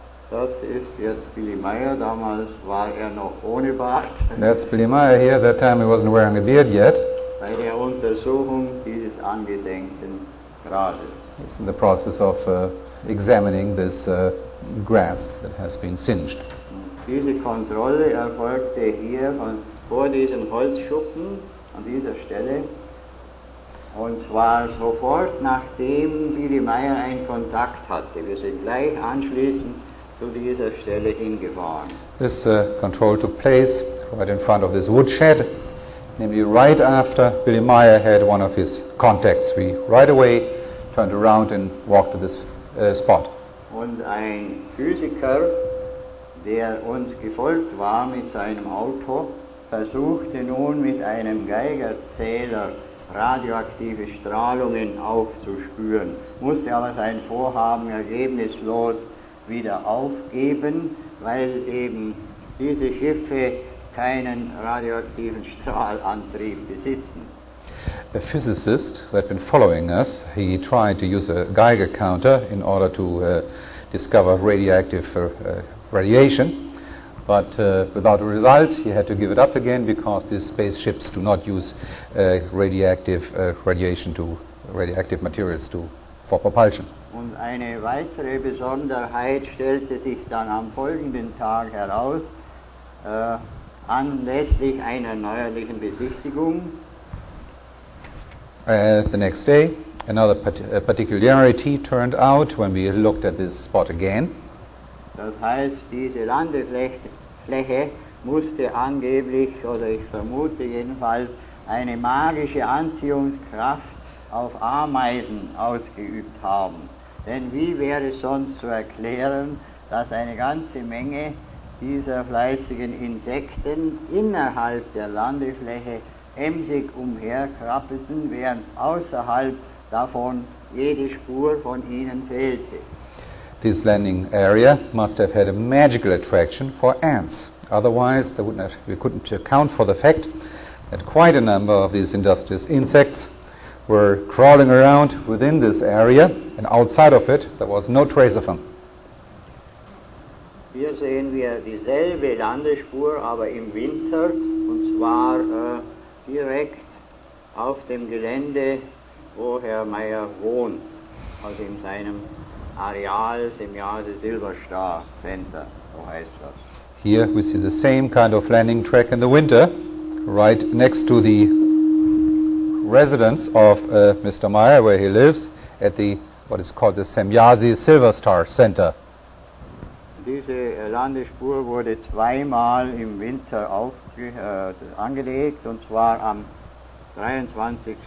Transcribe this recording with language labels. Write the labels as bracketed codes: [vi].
[de] Das ist jetzt Billy Meyer, damals war noch ohne Bart. [en] That's Billy Meyer here, that time he wasn't wearing a beard yet. [de] Bei der Untersuchung dieses angesenkten Grases. [en] He's in the process of examining this grass that has been singed. [de] Diese Kontrolle erfolgte hier vor diesem Holzschuppen an dieser Stelle. Und zwar sofort, nachdem Billy Meyer einen Kontakt hatte. Wir sind gleich anschließend zu dieser Stelle hingefahren. [en] This control took place right in front of this woodshed, namely right after Billy Meyer had one of his contacts. We right away turned around and walked to this spot. [de] Und ein Physiker, der uns gefolgt war mit seinem Auto, versuchte nun mit einem Geigerzähler radioaktive Strahlungen aufzuspüren, musste aber sein Vorhaben ergebnislos wieder aufgeben, weil eben diese Schiffe keinen radioaktiven Strahlantrieb besitzen. [en] A physicist who had been following us, he tried to use a Geiger counter in order to discover radioactive radiation, but without a result, he had to give it up again because these spaceships do not use radioactive materials for propulsion. [de] Und eine weitere Besonderheit stellte sich dann am folgenden Tag heraus, anlässlich einer neuerlichen Besichtigung. [en] The next day, another particularity turned out when we looked at this spot again. [de] Das heißt, diese Landefläche musste angeblich, oder ich vermute jedenfalls, eine magische Anziehungskraft auf Ameisen ausgeübt haben. Denn wie wäre sonst zu erklären, dass eine ganze Menge dieser fleißigen Insekten innerhalb der Landefläche emsig umherkrabbelten, während außerhalb davon jede Spur von ihnen fehlte? [en] This landing area must have had a magical attraction for ants. Otherwise, we couldn't account for the fact that quite a number of these industrious insects were crawling around within this area, and outside of it, there was no trace of them. [de] Hier sehen wir dieselbe Landespur, aber im Winter, und zwar direkt auf dem Gelände, wo Herr Meyer wohnt, also in seinem Areal, Semiase Silberstar Center, so heißt das. [en] Here we see the same kind of landing track in the winter, right next to the residence of Mr. Meyer, where he lives, at the, what is called the Semiase Silberstar Center. [de] Diese Landespur wurde zweimal im Winter angelegt, und zwar am 23.